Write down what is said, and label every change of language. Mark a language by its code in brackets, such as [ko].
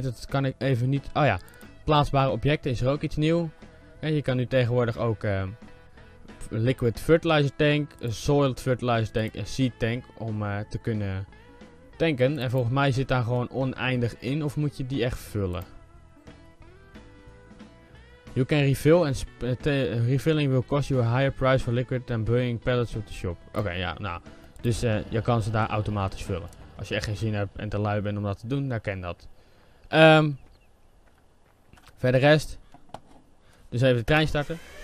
[nl] Dat kan ik even niet. Oh ja, plaatsbare objecten is er ook iets nieuw. En je kan nu tegenwoordig ook liquid fertilizer tank, soiled fertilizer tank en seed tank om te kunnen tanken. En volgens mij zit daar gewoon oneindig in. Of moet je die echt vullen? [en] You can refill and refilling will cost you a higher price for liquid than burning pellets at the shop. [nl] Oké, ja, nou, dus je kan ze daar automatisch vullen. Als je echt geen zin hebt en te lui bent om dat te doen, dan ken dat. Verder rest. Dus even de trein starten.